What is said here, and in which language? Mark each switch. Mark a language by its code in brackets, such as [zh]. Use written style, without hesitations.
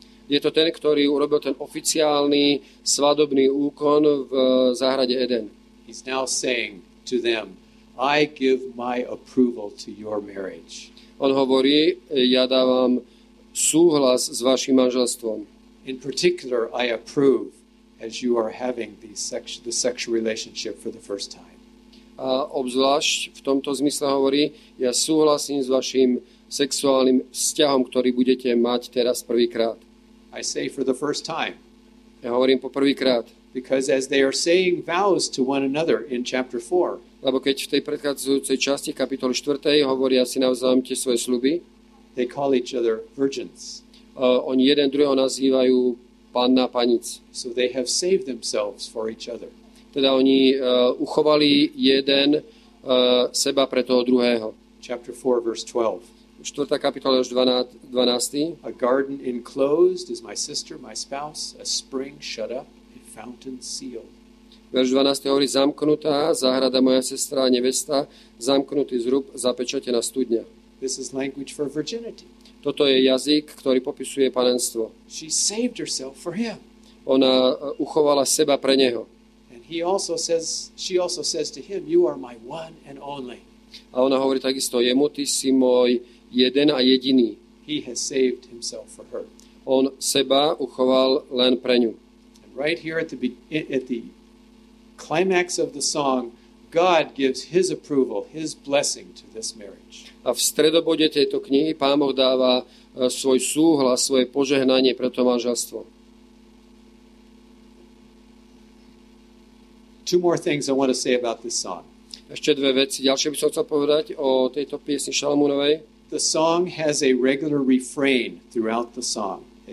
[sk] Je to ten, ktorý urobil ten oficiálny svadobný úkon v záhrade Eden. [en] He's now saying to them, I give my approval to your marriage. [sk] On hovorí, ja dávam súhlas s vašim manželstvom. [en] In particular, I approve as you are having the sexual relationship for the first time. [sk] A obzvlášť v tomto zmysle hovorí, ja súhlasím s vašim sexuálnym vzťahom, ktorý budete mať teraz prvýkrát. [en] I say for the first time. [sk] Ja hovorím po prvýkrát. [en] Because as they are saying vows to one another in chapter 4. [sk] Lebo keď v tej predchádzajúcej časti kapitoly 4. hovoria si navzájom tie svoje sľuby. [en] They call each other virgins. [sk] Oni jeden druhého nazývajú panna a panic. [en] So they have saved themselves for each other. [sk] Teda oni uchovali jeden seba pre toho druhého. [en] Chapter 4 verse 12. [sk] 4. kapitola, 12. [en] A garden enclosed is my sister, my spouse, a spring shut up, a fountain sealed. [sk] Verš 12. hovorí, zamknutá záhrada moja sestra a nevesta, zamknutý zrub, zapečatená studňa. [en] This is language for virginity. [sk] Toto je jazyk, ktorý popisuje panenstvo. [en] She saved herself for him. [sk] Ona uchovala seba pre neho. [en] And he also says, she also says to him, you are my one and only. [sk] A ona hovorí takisto jemu, ty si môj jeden a jediný. [en] He has saved himself for her. [sk] On seba uchoval len pre ňu. [en] And right here at the climax of the song, God gives his approval, his blessing to this marriage. [sk] A v stredobode tejto knihy Pán Boh dáva svoj súhlas, svoje požehnanie pre to manželstvo. [en] Two more things I want to say about this song. [sk] Ešte dve veci. Ďalšie by som chcel povedať o tejto piesni Šalamúnovej. [en] The song has a regular refrain throughout the song.